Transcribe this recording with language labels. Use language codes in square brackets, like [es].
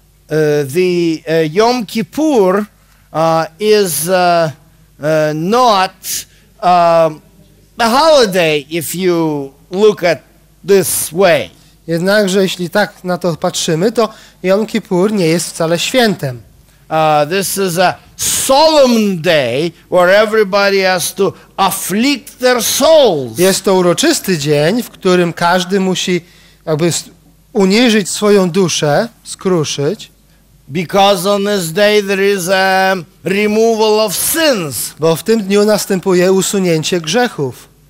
[en] However, the Yom Kippur is not a holiday, if you look at this way. [pl] Jednakże, jeśli tak na to patrzymy, to Yom Kippur nie jest wcale świętem. [en] This is a solemn day where everybody has to afflict their souls. [pl] Jest to uroczysty dzień, w którym każdy musi jakby uniżyć swoją duszę, skruszyć. [en] Because on this day there is a removal of sins. [pl] Bo w tym dniu następuje usunięcie grzechów.